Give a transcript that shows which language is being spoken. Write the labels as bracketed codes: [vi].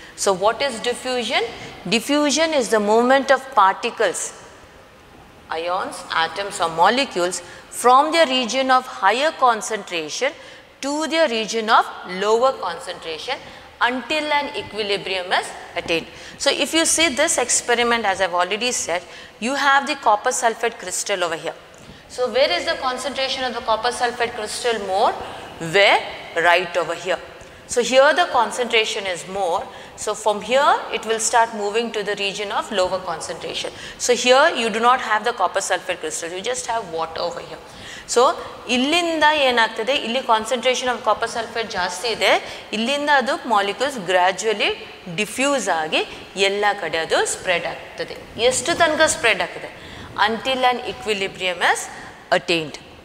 [en] So what is diffusion? Diffusion is the movement of particles, ions, atoms or molecules from the region of higher concentration to the region of lower concentration until an equilibrium is attained. So if you see this experiment, as I've already said, you have the copper sulfate crystal over here. So where is the concentration of the copper sulfate crystal more? Where? Right over here. So here the concentration is more. So from here it will start moving to the region of lower concentration. So here you do not have the copper sulfate crystal, you just have water over here. [kn] So ಇಲ್ಲಿಂದ ಏನಾಗ್ತದೆ, ಇಲ್ಲಿ concentration of copper sulphate ಜಾಸ್ತಿ ಇದೆ, ಇಲ್ಲಿಂದ ಅದು molecules gradually diffuse ಆಗಿ ಎಲ್ಲ ಕಡೆ ಅದು ಸ್ಪ್ರೆಡ್ ಆಗ್ತದೆ. ಎಷ್ಟು ತನಕ ಸ್ಪ್ರೆಡ್ ಆಗ್ತದೆ? [en] Until an equilibrium is attained.